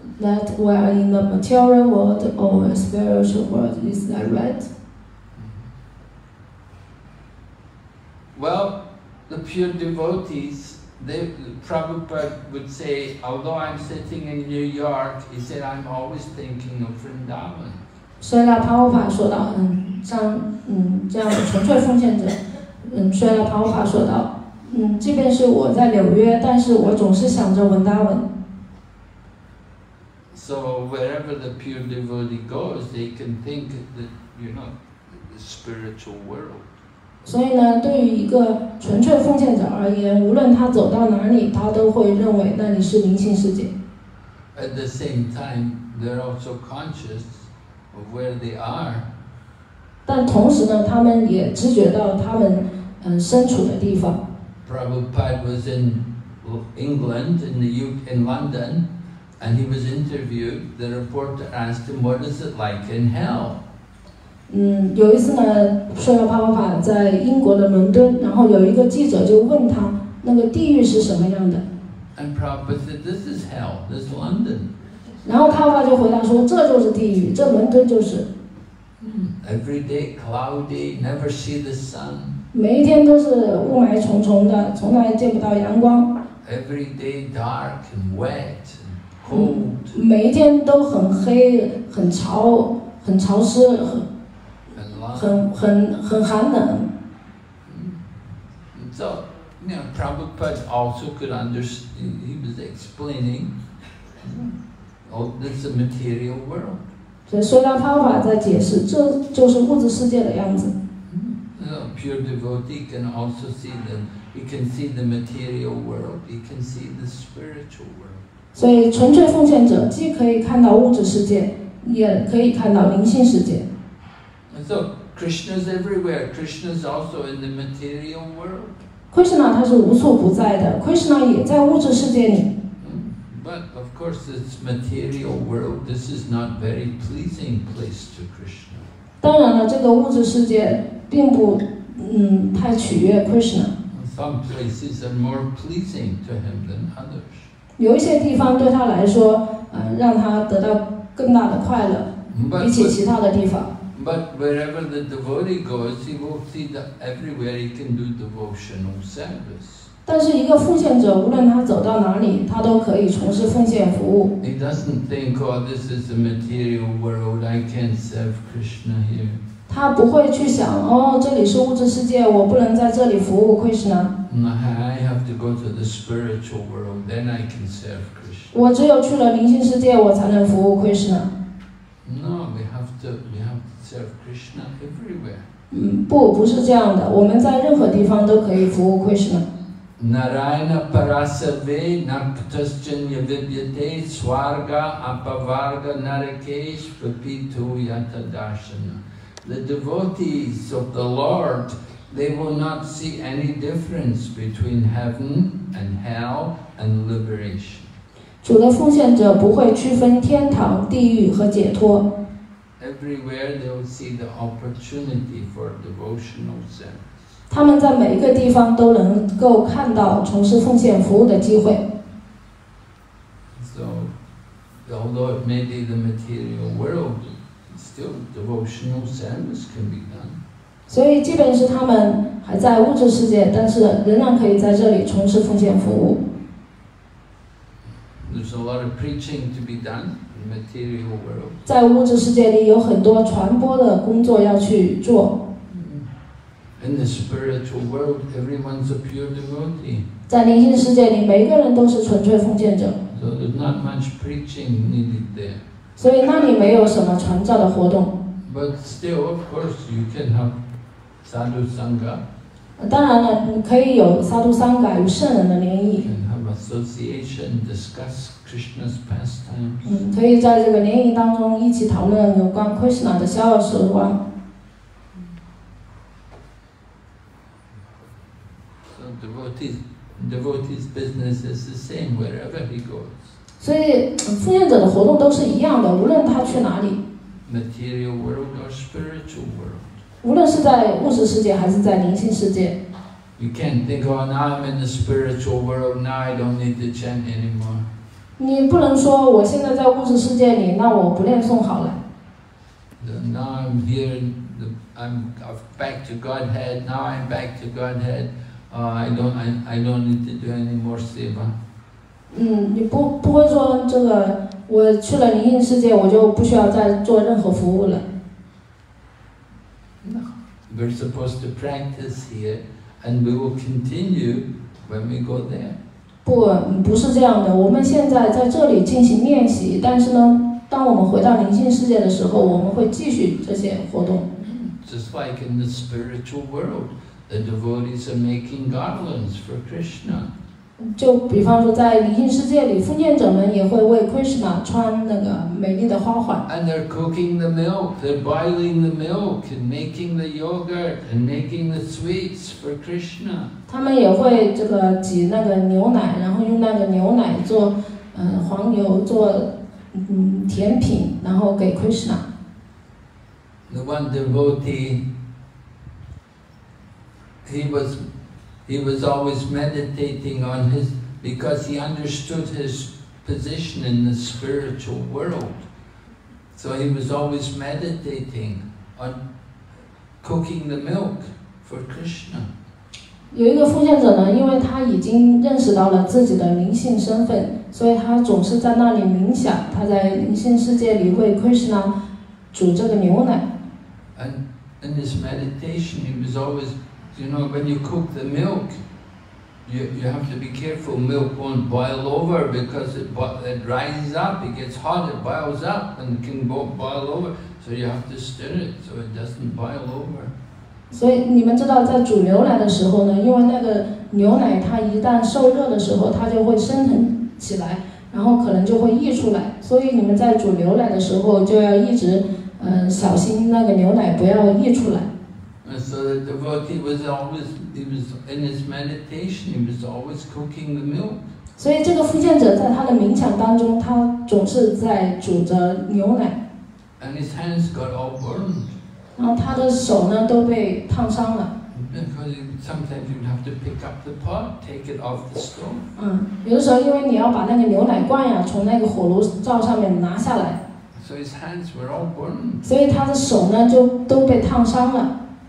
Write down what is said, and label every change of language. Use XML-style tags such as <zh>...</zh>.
<en>That we are in the material world or spiritual world, is that right? Well, the pure devotees, Prabhupada would say, although I'm sitting in New York, he said, I'm always thinking of Vrindavan.</en> <zh>虽然帕乌帕说到，这样纯粹奉献者，虽然帕乌帕说到，即便是我在纽约，但是我总是想着文达文。</zh> <en>So wherever the pure devotee goes, they can think that the spiritual world.</en> <zh>所以呢，对于一个纯粹奉献者而言，无论他走到哪里，他都会认为那里是灵性世界。</zh> <en>At the same time, they're also conscious of where they are.</en> <zh>但同时呢，他们也知觉到他们身处的地方。</zh> <en>Prabhupada was in England, in the UK, in London. And he was interviewed. The reporter asked him, "What is it like in hell?"</en> <zh>有一次呢，说到帕瓦帕在英国的伦敦，然后有一个记者就问他，那个地狱是什么样的</zh> <en>？And Prabhupada said, "This is hell. This is London."</en> <zh>然后帕瓦帕就回答说，这就是地狱，这伦敦就是。</zh> <en>Every day cloudy, never see the sun.</en> <zh>每一天都是雾霾重重的，从来见不到阳光。</zh> <en>Every day dark and wet.</en> <zh>每一天都很黑，很潮，很潮湿，很寒冷。</zh> <en>So, you know, Prabhupada also could understand. He was explaining, "Oh, this is a material world."</en> <zh>所以，说到方法在解释，这就是物质世界的样子。</zh> <en>Pure devotee can also see the material world. He can see the spiritual world.</en> <zh>所以纯粹奉献者既可以看到物质世界，也可以看到灵性世界。</zh> <en>And so Krishna is everywhere. Krishna is also in the material world.</en> <zh>Krishna 他是无处不在的。Krishna 也在物质世界里。</zh> <en>But of course, this material world, this is not a very pleasing place to Krishna.</en> <zh>当然了，这个物质世界并不太取悦 Krishna。</zh> <en>Some places are more pleasing to him than others.</en> <zh>有一些地方对他来说，让他得到更大的快乐，比起其他的地方。</zh> <en>But wherever the devotee goes, he will see that everywhere he can do devotional service.</en> <zh>但是一个奉献者，无论他走到哪里，他都可以从事奉献服务。</zh> <en>He doesn't think, "Oh, this is a material world. I can't serve Krishna here."</en> <zh>他不会去想，哦，这里是物质世界，我不能在这里服务 Krishna。</zh> <en>I have to go to the spiritual world, then I can serve Krishna.</en> <zh>我只有去了灵性世界，我才能服务 Krishna。</zh> <en>No, we have to serve Krishna everywhere.</en> <zh>不是这样的，我们在任何地方都可以服务 Krishna。</zh> <sa>Narayana parasave naktaschanya vidyate swarga apavarga narakesh vipitu yata darshana.</sa> <en>The devotees of the Lord, they will not see any difference between heaven and hell and liberation.</en> <zh>主的奉献者不会区分天堂、地狱和解脱。</zh> <en>Everywhere they will see the opportunity for devotional service.</en> <zh>他们在每一个地方都能够看到从事奉献服务的机会。</zh> <en>So, although it may be the material world, still devotional service can be done.</en> <zh>所以，即便是他们还在物质世界，但是仍然可以在这里从事奉献服务。</zh> <en>There's a lot of preaching to be done in the material world.</en> <zh>在物质世界里有很多传播的工作要去做。</zh> <en>In the spiritual world, everyone's a pure devotee.</en> <zh>在灵性世界里，每个人都是纯粹奉献者。</zh> <en>So there's not much preaching needed there.</en> <zh>所以那里没有什么传教的活动。</zh> <en>But still, of course, you can have sadhu sangha.</en> <zh>当然了，你可以有sadhu sangha，有圣人的联谊。</zh> <en>Association discuss Krishna's pastimes.</en> <zh>可以在这个联谊当中一起讨论有关 Krishna 的逍遥时光。</zh> <en>So devotee's business is the same wherever he goes.</en> <zh>所以奉献者的活动都是一样的，无论他去哪里。</zh> <en>Material world or spiritual world.</en> <zh>无论是在物质世界还是在灵性世界。</zh> <en>You can't think, oh, now I'm in the spiritual world, now I don't need to chant anymore.</en> <zh>你不能说我现在在物质世界里，那我不念诵好了。</zh> <en>Now I'm here, I'm back to Godhead, now I'm back to Godhead, I don't need to do any more seva.</en> <zh>你不会说这个，我去了灵性世界，我就不需要再做任何服务了。</zh> <en>No. We're supposed to practice here. And we will continue when we go there.</en> <zh>不是这样的。我们现在在这里进行练习，但是呢，当我们回到灵性世界的时候，我们会继续这些活动。</zh> <en>Just like in the spiritual world, the devotees are making garlands for Krishna.</en> <zh>就比方说，在灵性世界里，奉献者们也会为 Krishna 穿那个美丽的花环。</zh> <en>And they're cooking the milk, they're boiling the milk, and making the yogurt, and making the sweets for Krishna.</en> <zh>他们也会这个挤那个牛奶，然后用那个牛奶做黄牛做甜品，然后给 Krishna.</zh> <en>The one devotee, he was always meditating on his, because he understood his position in the spiritual world. So he was always meditating on cooking the milk for Krishna.</en> <zh>有一个奉献者呢，因为他已经认识到了自己的灵性身份，所以他总是在那里冥想，他在灵性世界里为 Krishna 煮这个牛奶。</zh> <en>And in his meditation, he was always,You know, when you cook the milk, you have to be careful. Milk won't boil over because it rises up. It gets hot, it boils up and can boil over. So you have to stir it so it doesn't boil over.</en> <zh>所以你们知道，在煮牛奶的时候呢，因为那个牛奶它一旦受热的时候，它就会升腾起来。然后可能就会溢出来，所以你们在煮牛奶的时候就要一直小心那个牛奶不要溢出来。</zh> <en>And so the devotee was always, he was in his meditation, he was always cooking the milk.</en> <zh>所以这个复健者在他的冥想当中，他总是在煮着牛奶。</zh> <en>And his hands got all burned.</en> <zh>然后他的手呢都被烫伤了。</zh> <en>Because sometimes you have to pick up the pot, take it off the stove.</en> <zh>有的时候因为你要把那个牛奶罐呀从那个火炉灶上面拿下来。</zh> <en>So his hands were all burned.</en> <zh>所以他的手呢就都被烫伤了。</zh>